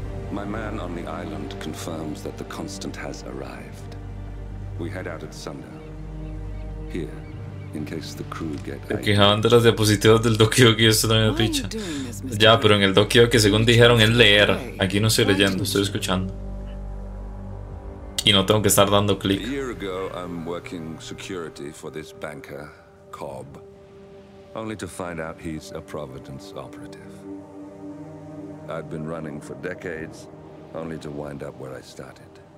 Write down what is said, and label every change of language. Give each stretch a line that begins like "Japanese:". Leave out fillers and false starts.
English: My man on the island confirms that the Constant has arrived. We head out at sundown. Here, in case the crew get.
Spanish: Se quejaban de las diapositivas del Doki Doki, esto también es picha. Ya, pero en el Doki Doki, según dijeron, es leer. Aquí no estoy leyendo, estoy escuchando. Y no tengo que estar dando clic.
English: A year ago, I'm working security for this banker, Cobb. Only to find out he's a Providence operative. I've been running for decades, only to wind up where I started.